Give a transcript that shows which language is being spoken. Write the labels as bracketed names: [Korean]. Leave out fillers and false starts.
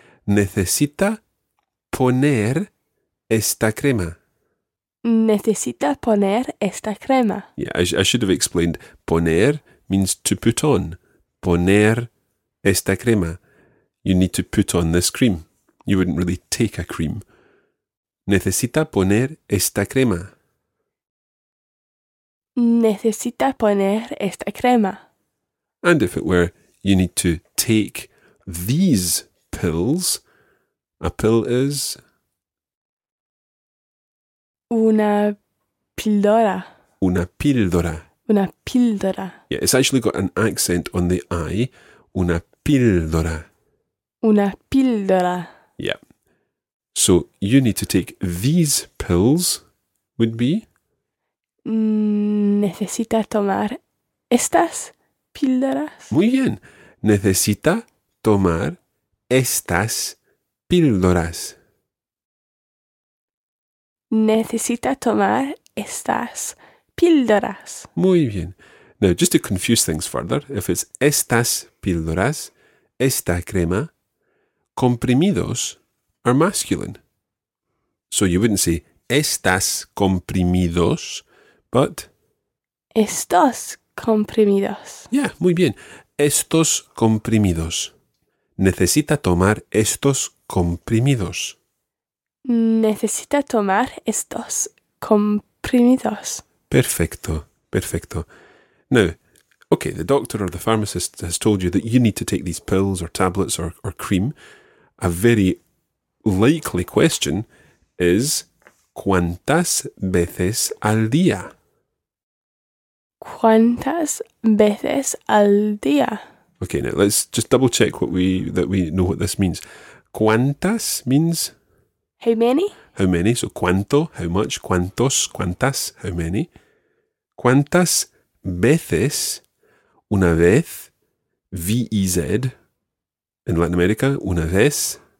[Spanish] Necesita poner esta crema. Necesita poner esta crema. [English] Yeah, I should have explained. Poner means to put on. [Spanish] Poner esta crema. [English] You need to put on this cream. You wouldn't really take a cream. [Spanish] Necesita poner esta crema. Necesita poner esta crema. [English] And if it were, you need to take these pills, a pill is... [Spanish] Una píldora. Una píldora. Una píldora. [English] Yeah, it's actually got an accent on the I. [Spanish] Una píldora. Una píldora. [English] Yeah. So, you need to take these pills would be... [Spanish] Necesita tomar estas píldoras. Muy bien. Necesita tomar estas píldoras. Necesita tomar estas píldoras. Muy bien. [English] Now, just to confuse things further, if it's [Spanish] estas píldoras, esta crema, [English] comprimidos are masculine. So you wouldn't say [Spanish] estas comprimidos, [English] but... [Spanish] Estos comprimidos. Yeah, muy bien. Estos comprimidos. Necesita tomar estos comprimidos. Necesita tomar estos comprimidos. Perfecto, perfecto. [English] Now, okay, the doctor or the pharmacist has told you that you need to take these pills or tablets or cream. A very likely question is, [Spanish] ¿cuántas veces al día? ¿Cuántas veces al día? [English] Okay, now let's just double check that we know what this means. ¿Cuántas means... How many? How many, so cuánto, how much, cuántos, cuántas, how many. [Spanish] ¿Cuántas veces, una vez, V-E-Z, [English] in Latin America, [Spanish] una vez?